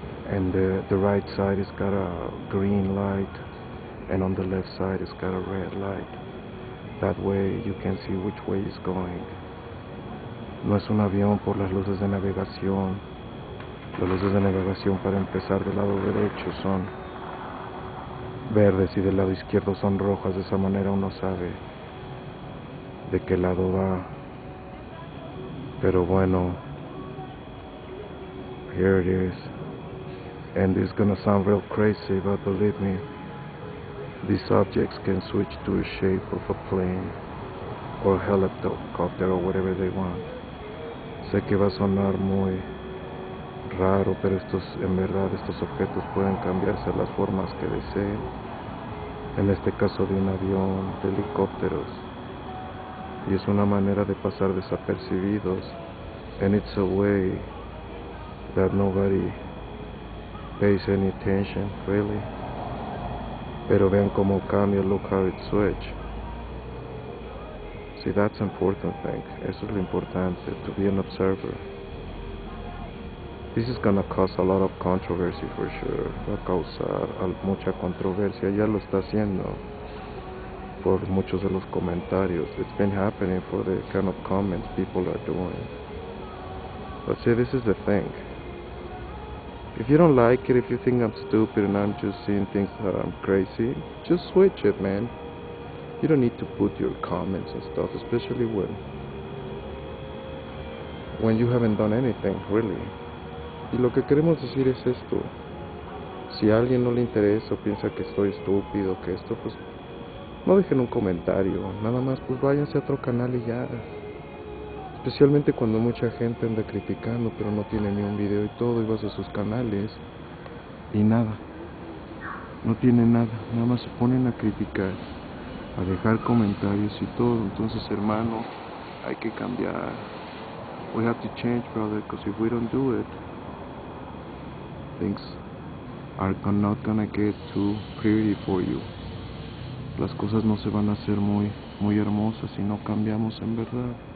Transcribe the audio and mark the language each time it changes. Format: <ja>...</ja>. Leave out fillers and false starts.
<en>And the right side has got a green light. And on the left side it's got a red light. That way you can see which way it's going.</en> <es>No es un avión por las luces de navegación. Las luces de navegación, para empezar, del lado derecho son verdes y del lado izquierdo son rojas. De esa manera uno sabe de qué lado va. Pero bueno,</es> <en>here it is. And it's gonna sound real crazy, but believe me, these objects can switch to a shape of a plane or a helicopter or whatever they want.</en> <es>Sé que va a sonar muy raro, pero estos, en verdad, estos objetos pueden cambiarse las formas que deseen. En este caso de un avión, de helicópteros. Y es una manera de pasar desapercibidos.</es> <en>And it's a way that nobody pays any attention, really.</en> <es>Pero vean cómo cambia,</es> <en>look how it switch. See, that's important thing.</en> <es>Eso es lo importante,</es> <en>to be an observer. This is gonna cause a lot of controversy for sure.</en> <es>Va a causar mucha controversia. Ya lo está haciendo por muchos de los comentarios.</es> <en>It's been happening for the kind of comments people are doing. But see, this is the thing. If you don't like it, if you think I'm stupid and I'm just seeing things that I'm crazy, just switch it, man. You don't need to put your comments and stuff, especially when you haven't done anything, really.</en> <es>Y lo que queremos decir es esto. Si a alguien no le interesa o piensa que estoy estúpido, que esto, pues no dejen un comentario. Nada más, pues váyanse a otro canal y ya. Especialmente cuando mucha gente anda criticando, pero no tiene ni un video y todo, y vas a sus canales y nada. No tiene nada, nada más se ponen a criticar, a dejar comentarios y todo. Entonces, hermano, hay que cambiar.</es> <en>We have to change, brother, because if we don't do it, things are not gonna get too pretty for you.</en> <es>Las cosas no se van a hacer muy, muy hermosas si no cambiamos, en verdad.</es>